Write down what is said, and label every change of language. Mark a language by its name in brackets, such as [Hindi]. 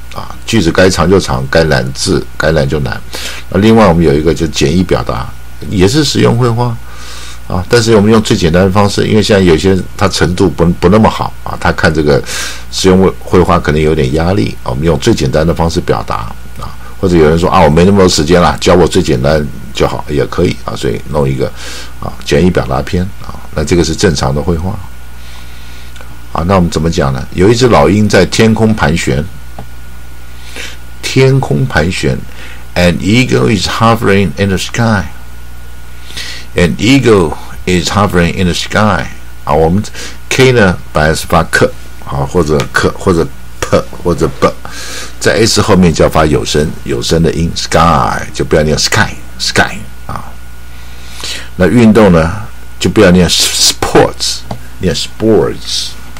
[Chinese] 啊，句子该长就长，该难字该难就难。那另外我们有一个就简易表达，也是实用绘画啊，但是我们用最简单的方式，因为现在有些他程度不那么好啊，他看这个实用绘画可能有点压力啊，我们用最简单的方式表达啊，或者有人说啊，我没那么多时间了，教我最简单就好，也可以啊，所以弄一个啊简易表达篇啊，那这个是正常的绘画啊。那我们怎么讲呢？有一只老鹰在天空盘旋。天空盘旋 [English] ，An eagle is hovering in the sky. An eagle is hovering in the sky. [Chinese] 啊，我们 k 呢，本来是发 k 啊，或者 k 或者 p 或者 b， 在 s 后面就要发有声的音 ，sky 就不要念 sky 啊。那运动呢，就不要念 sports， 念 sports。